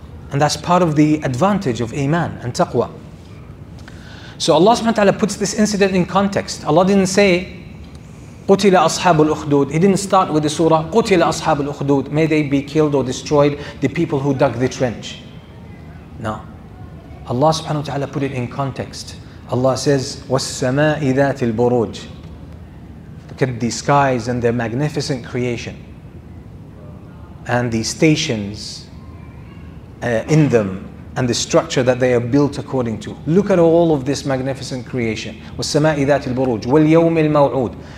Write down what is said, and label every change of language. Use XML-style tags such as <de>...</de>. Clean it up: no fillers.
<en>And that's part of the advantage of Iman and Taqwa. So Allah subhanahu wa ta'ala puts this incident in context. Allah didn't say,</en> <ar>قُتِلَ أَصْحَابُ الْأُخْدُودِ.</ar> <en>He didn't start with the surah,</en> <ar>قُتِلَ أَصْحَابُ الْأُخْدُودِ.</ar> <en>May they be killed or destroyed, the people who dug the trench. No. Allah subhanahu wa ta'ala put it in context. Allah says,</en> <ar>وَالسَّمَاءِ ذَاتِ الْبُرُوجِ.</ar> <en>Look at the skies and their magnificent creation. And the stations in them and the structure that they are built according to. Look at all of this magnificent creation.</en> <ar>وَالسَّمَاءِ ذَاتِ الْبُرُوجِ. وَالْيَوْمِ الْمَوْعُودِ.</ar>